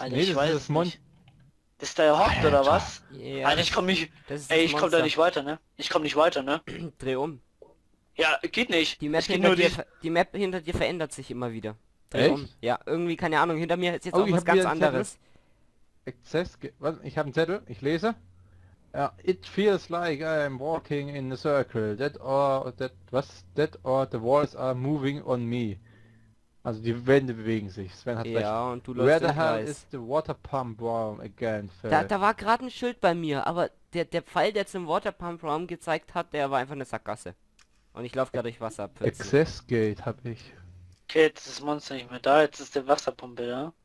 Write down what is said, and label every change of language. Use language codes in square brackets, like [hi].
[de] Alter, nee, das ist das Monster. Das ist da ja hockt, oder was? Yeah. Alter, ich komm nicht. Das ist ey, ich komm da nicht weiter, ne? Ich komm nicht weiter, ne? Dreh um. Ja, geht nicht. Die Map, hinter, geht nur dir, die Map hinter dir verändert sich immer wieder. Dreh um. Ja, irgendwie, keine Ahnung, hinter mir ist jetzt auch was ganz anderes. Access, warte, ich hab einen Zettel, ich lese. [en] It feels like I'm walking in a circle. That or the walls are moving on me. [de] Also die Wände bewegen sich. Sven hat ja, recht. Ja, und du läufst. [en] Where the hell is the water pump room again? [de] Da war gerade ein Schild bei mir, aber der Pfeil, der zum Water Pump Room gezeigt hat, der war einfach eine Sackgasse. Und ich laufe gerade durch Wasserpfützen. Access Gate habe ich. Okay, jetzt ist das Monster nicht mehr da. Jetzt ist der Wasserpumpe da.